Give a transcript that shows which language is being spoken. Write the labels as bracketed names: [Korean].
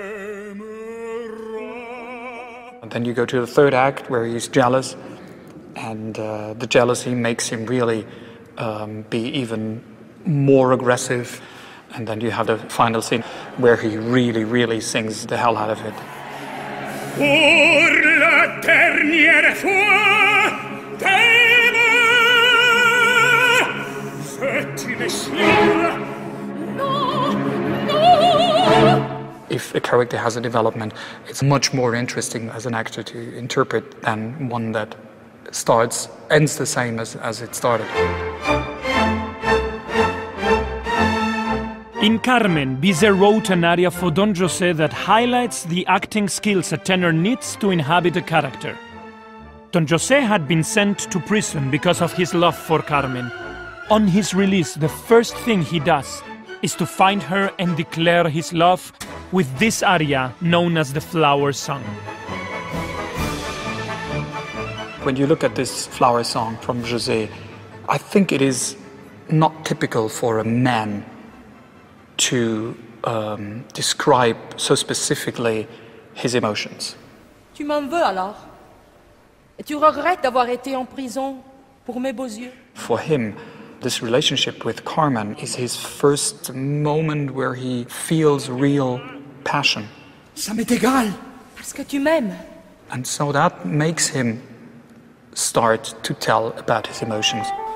[English] Then you go to the third act where he's jealous, and the jealousy makes him really be even more aggressive. And then you have the final scene where he really, really sings the hell out of it. [French] Pour la dernière fois, t'aimes, fais-tu le chien? [English] If a character has a development, it's much more interesting as an actor to interpret than one that ends the same as it started. In Carmen, Bizet wrote an aria for Don José that highlights the acting skills a tenor needs to inhabit a character. Don José had been sent to prison because of his love for Carmen. On his release, the first thing he does is to find her and declare his love with this aria known as the Flower Song. When you look at this Flower Song from José, I think it is not typical for a man to describe so specifically his emotions. [French] Tu m'en veux alors? Et tu regrettes d'avoir été en prison pour mes beaux yeux? [English] For him, this relationship with Carmen is his first moment where he feels real passion. [French] Ça m'est égal. Parce que tu m'aimes. [English] And so that makes him start to tell about his emotions.